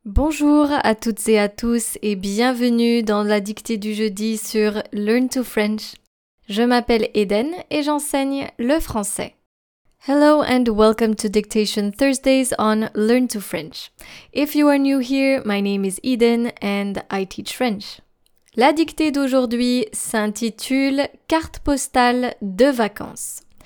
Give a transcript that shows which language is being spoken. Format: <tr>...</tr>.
<fr>Bonjour à toutes et à tous et bienvenue dans la dictée du jeudi sur Learn to French. Je m'appelle Eden et j'enseigne le français.</fr> <en>Hello and welcome to Dictation Thursdays on Learn to French. If you are new here, my name is Eden and I teach French.</en> <fr>La dictée d'aujourd'hui s'intitule Carte postale de vacances.</fr>